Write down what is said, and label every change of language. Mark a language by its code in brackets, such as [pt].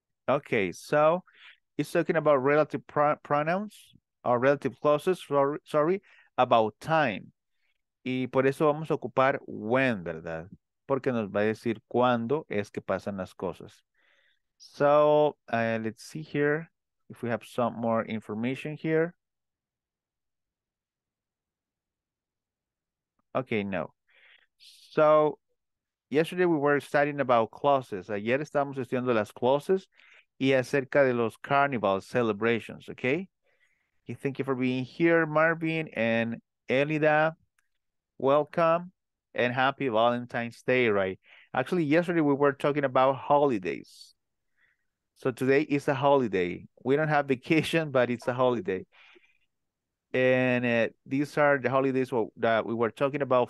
[en] Okay, so it's talking about relative pronouns, or relative clauses, sorry, about time. [es] Y por eso vamos a ocupar when, ¿verdad? Porque nos va a decir cuándo es que pasan las cosas. [en] So, let's see here if we have some more information here. Okay, no. So, yesterday we were studying about clauses. [es] Ayer estábamos estudiando las clauses y acerca de los carnival celebrations, okay? [en] Okay, thank you for being here, Marvin and Elida. Welcome and happy Valentine's Day, right? Actually, yesterday we were talking about holidays. So today is a holiday. We don't have vacation, but it's a holiday. And these are the holidays that we were talking about.